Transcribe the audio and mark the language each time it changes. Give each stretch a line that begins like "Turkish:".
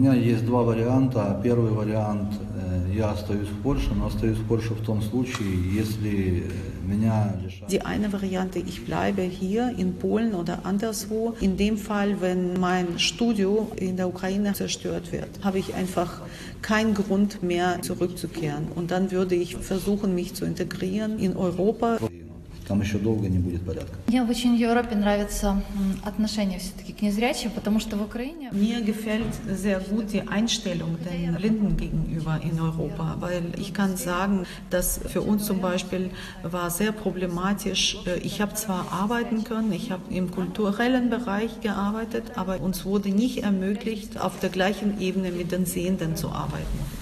German: Ja, es gibt zwei Varianten. Der erste Variant, ich bleibe in Polen, aber ich bleibe in Polen in dem Fall, Die eine Variante, ich bleibe hier in Polen oder anderswo. In dem Fall, wenn mein Studio in der Ukraine zerstört wird, habe ich einfach keinen Grund mehr zurückzukehren. Und dann würde ich versuchen, mich zu integrieren in Europa.
Russian: Там еще долго не будет порядка. Мне очень в Европе нравится отношение все-таки к незрячим, потому что в Украине... Мне
German: gefällt sehr gut die Einstellung den Blinden gegenüber in Europa, weil ich kann sagen, dass für uns zum Beispiel war sehr problematisch. Ich habe zwar arbeiten können, ich habe im kulturellen Bereich gearbeitet, aber uns wurde nicht ermöglicht, auf der gleichen Ebene mit den Sehenden zu arbeiten.